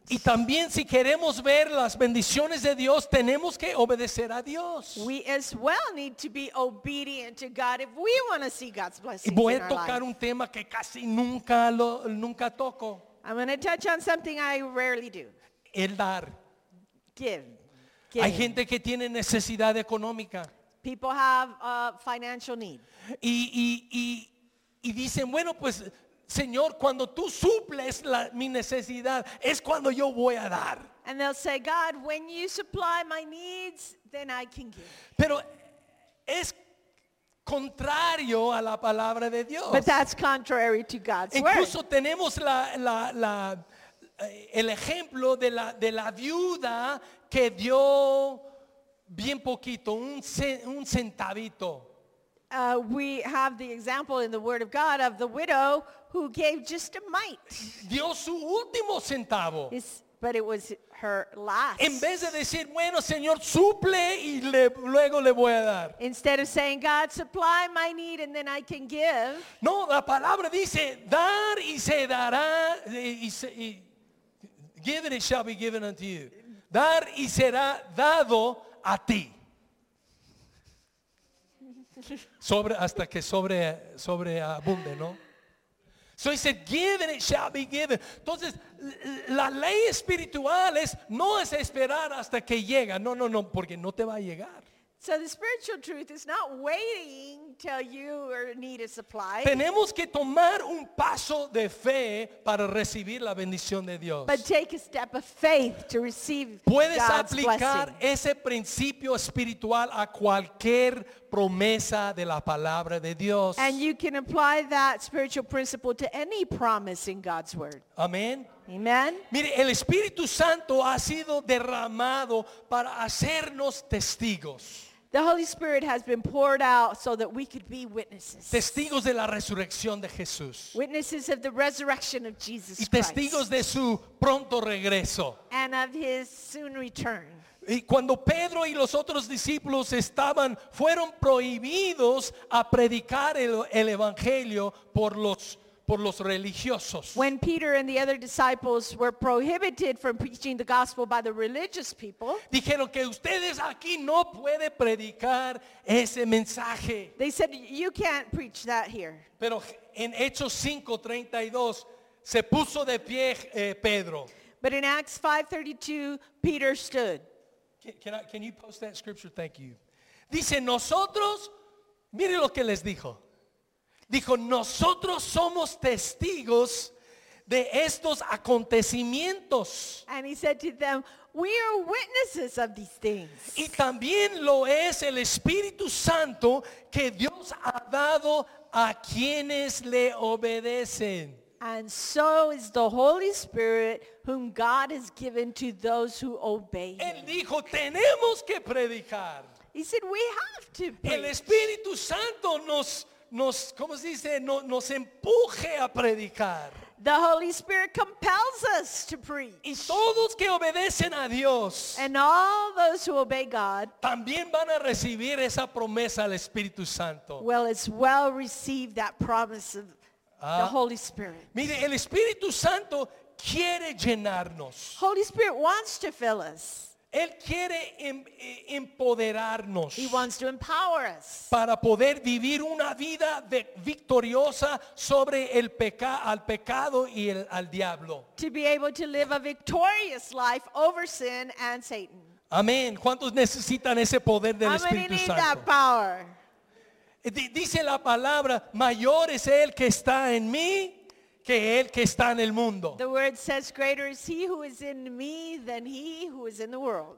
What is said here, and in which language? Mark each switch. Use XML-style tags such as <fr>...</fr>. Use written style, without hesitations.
<es>Y también si queremos ver las bendiciones de Dios, tenemos que obedecer a Dios.</es> <en>We as well need to be obedient to God if we want to see God's blessings.</en> <es>Y voy a tocar un tema que casi nunca toco.</es> <en>I'm going to touch on something I rarely do.</en> <es>El dar.</es> <en>Give.</en> <es>Hay gente que tiene necesidad económica.</es> <en>People have a financial need.</en> <es>Y dicen, bueno, pues, Señor, cuando tú suples mi necesidad, es cuando yo voy a dar.</es> <en>And they'll say, God, when you supply my needs, then I can give.</en> <es>Pero es contrario a la palabra de Dios.</es> <en>But that's contrary to God's</en> <es>Incluso</es> <en>word.</en> <es>Incluso tenemos el ejemplo de la viuda que dio bien poquito, un centavito.</es> <en>We have the example in the Word of God of the widow who gave just a mite.</en> <es>Dio su último centavo.</es> <en>But it was her last.</en> <es>En vez de decir, bueno, Señor, suple y luego le voy a dar.</es> <en>Instead of saying, God, supply my need and then I can give.</en> <es>No, la palabra dice, dar y se dará y</es> <en>given it shall be given unto you.</en> <es>Dar y será dado a ti. Hasta que sobreabunde, ¿no?</es> <en>So he said, given it shall be given.</en> <es>Entonces, la ley espiritual no es esperar hasta que llega. No, porque no te va a llegar.</es> <en>So the spiritual truth is not waiting till you need a supply.</en> <es>Tenemos que tomar un paso de fe para recibir la bendición de Dios.</es> <en>But take a step of faith to receive God's</en> <es>Puedes aplicar ese principio espiritual a cualquier promesa de la palabra de Dios.</es> <en>And you can apply that spiritual principle to any promise in God's word.</en> <es>Amén.</es> <en>Amen.</en> <es>Mire, el Espíritu Santo ha sido derramado para hacernos testigos.</es> <en>The Holy Spirit has been poured out so that we could be witnesses.</en> <es>Testigos de la resurrección de Jesús.</es> <en>Witnesses of the resurrection of Jesus Christ.</en> <es>Y testigos de su pronto regreso.</es> <en>And of his soon return.</en> <es>Y cuando Pedro y los otros discípulos fueron prohibidos a predicar el evangelio por los religiosos.</es> <en>When Peter and the other disciples were prohibited from preaching the gospel by the religious people,</en> <es>dijeron que ustedes aquí no pueden predicar ese mensaje.</es> <en>They said, you can't preach that here.</en> <es>Pero en Hechos 5:32 Se puso de pie Pedro.</es> <en>But in Acts 5:32, Peter stood. Can you post that scripture? Thank you.</en> <es>Dice, nosotros, mire lo que les dijo. Dijo, nosotros somos testigos de estos acontecimientos.</es> <en>And he said to them, we are witnesses of these things.</en> <es>Y también lo es el Espíritu Santo que Dios ha dado a quienes le obedecen.</es> <en>And so is the Holy Spirit whom God has given to those who obey him.</en> <es>Él dijo, tenemos que predicar.</es> <en>He said, we have to preach.</en> <es>El Espíritu Santo nos empuje a predicar.</es> <en>The Holy Spirit compels us to preach.</en> <es>Y todos que obedecen a Dios,</es> <en>and all those who obey God,</en> <es>también van a recibir esa promesa al Espíritu Santo.</es> <en>Well, as well receive that promise of the Holy Spirit.</en> <es>Mire, el Espíritu Santo quiere llenarnos.</es> <en>Holy Spirit wants to fill us.</en> <es>Él quiere empoderarnos.</es> <en>He wants to empower us.</en> <es>Para poder vivir una vida victoriosa sobre el pecado y al diablo.</es> <en>To be able to live a victorious life over sin and Satan.</en> <es>Amén. ¿Cuántos necesitan ese poder del Espíritu Santo?</es> <en>How many need that power?</en> <es>Dice la palabra, mayor es el que está en mí que el que está en el mundo.</es> <en>The word says, greater is he who is in me than he who is in the world.</en>